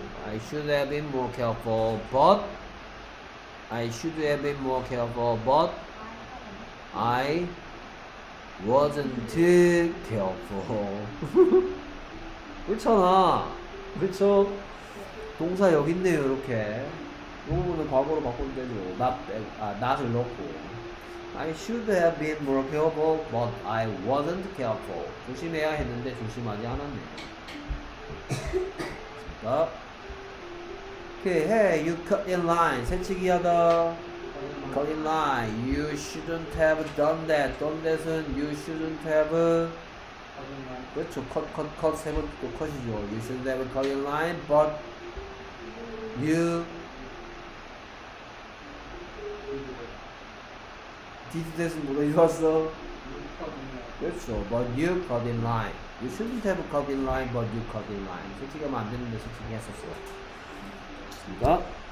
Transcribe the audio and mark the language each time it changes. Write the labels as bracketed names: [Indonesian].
[English] I should have been more careful, but I should have been more careful, but I wasn't careful. [Korean] 그렇잖아. 그렇죠. 동사 여기 있네요. 이렇게 요거는 과거로 바꾸면 되죠. [English] not을 [Korean] 넣고 [English] I should have been more careful but I wasn't careful. [Korean] 조심해야 했는데 조심하지 않았네. 됐습니까? [English] Okay, hey, you cut in line. [Korean] 새치기 하다. [English] Cut in line. You shouldn't have done that. Done that은 you shouldn't have. [Korean] 그렇죠. [English] Cut, cut, cut. [Korean] 세 번 듣고 [English] cut이죠. You shouldn't have cut in line, but you did that은 [Korean] 뭐가 좋았어? 그렇죠. [English] But you cut in line. You shouldn't have cut in line, but you cut in line. [Korean] 새치기 하면 안 되는데 새치기 했었어. 됐습니다.